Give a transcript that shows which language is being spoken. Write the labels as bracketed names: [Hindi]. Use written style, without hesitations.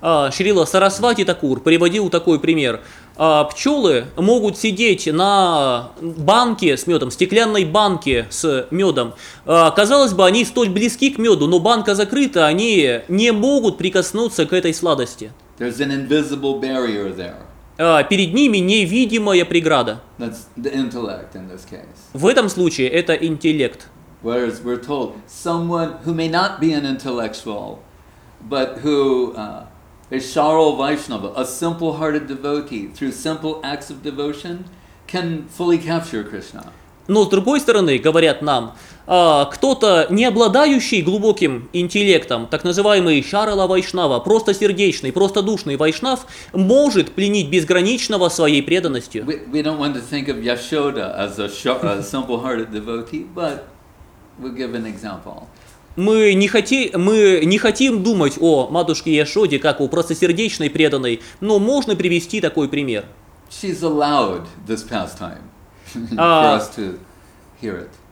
[Russian] Шрила Сарасвати Такур приводил такой пример. Пчелы могут сидеть на банке с медом, стеклянной банке с медом. Казалось бы, они столь близки к меду, но банка закрыта, они не могут прикоснуться к этой сладости. [English] There's an invisible barrier there. [Russian] Перед ними невидимая преграда. [English] That's the intellect in this case. [Russian] В этом случае это интеллект. [English] Whereas we're told someone who may not be an intellectual, but who a Sharal Vaishnava, a simple-hearted devotee, through simple acts of devotion, can fully capture Krishna. [Russian] Но с другой стороны, говорят нам, кто-то, не обладающий глубоким интеллектом, так называемый Шарала Вайшнава, просто сердечный, просто душный Вайшнав, может пленить безграничного своей преданностью. [English] We don't want to think of Yashoda as a simple-hearted devotee, but we'll give an example. [Russian] Мы не хотим думать о матушке Яшоде как о простосердечной преданной, но можно привести такой пример. [English] She's allowed this pastime for us to hear it.